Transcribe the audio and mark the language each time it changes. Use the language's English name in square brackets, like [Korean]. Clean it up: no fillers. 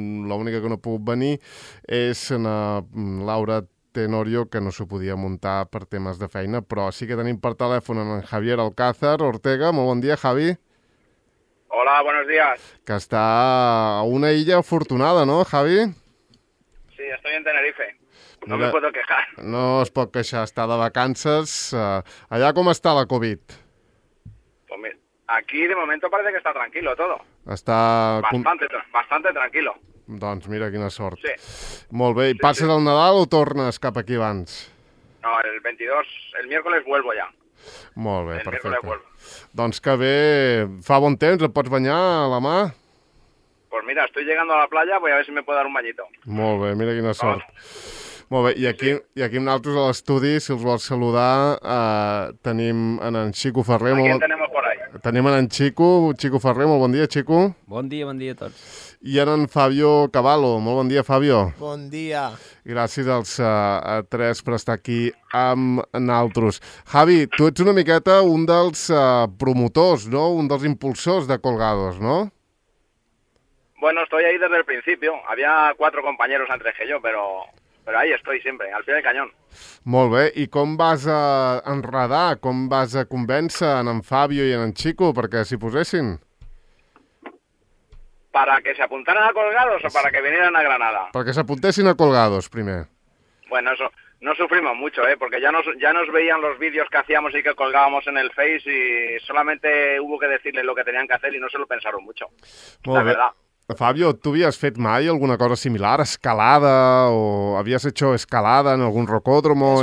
[Catalan] L'única que no ha pogut venir és na Laura Tenorio, que no s'ho podia muntar per temes de feina, però sí que tenim per telèfon en Javier Alcázar Ortega. Molt bon dia, Javi. [Spanish] Hola, buenos días. [Catalan] Que està a una illa afortunada, no, Javi? [Spanish] Sí, estoy en Tenerife. No me puedo quejar. [Catalan] No es pot queixar, està de vacances. Allà com està la Covid? [Spanish] Aquí de momento parece que está tranquilo todo. Está bastante tranquilo. [Catalan] Doncs mira quina sort. Sí. Molt bé, i sí, passes el Nadal o tornes cap aquí abans? [Spanish] No, el 22, el miércoles vuelvo ya. [Catalan] Molt bé, perfecte. [Spanish] El miércoles vuelvo. [Catalan] Doncs que bé, fa bon temps, et pots banyar a la mà? [Spanish] Pues mira, estoy llegando a la playa, voy a ver si me puedo dar un bañito. [Catalan] Molt bé, mira quina sort. Molt bé, i aquí amb nosaltres a l'estudi, si els vols saludar, tenim en Xico Ferrer. Aquí molt... Tenim en Xico, Xico Ferrer, molt bon dia, Xico. Bon dia a tots. I en Fabio Cavallo, molt bon dia, Fabio. Bon dia. Gràcies als tres per estar aquí amb naltros. Javi, tu ets una miqueta un dels promotors, no? Un dels impulsors de Colgados, no? [Spanish] Bueno, estoy ahí desde el principio. Había cuatro compañeros antes que yo, pero ahí estoy siempre, al pie del cañón. [Catalan] Molt bé, i com vas a enredar, com vas a convèncer en Fabio i en Xico perquè s'hi posessin? [Spanish] ¿Para que se apuntaran a Colgados o para que vinieran a Granada? [Catalan] Perquè s'apuntessin a Colgados, primer. [Spanish] Bueno, eso, no sufrimos mucho, ¿eh? Porque ya nos veían los vídeos que hacíamos y que colgábamos en el Face y solamente hubo que decirles lo que tenían que hacer y no se lo pensaron mucho, molt la bé. Verdad. Fabio, ¿tú habías hecho [Catalan] mai alguna cosa similar? [Spanish] ¿Escalada? ¿O habías hecho escalada en algún rocódromo?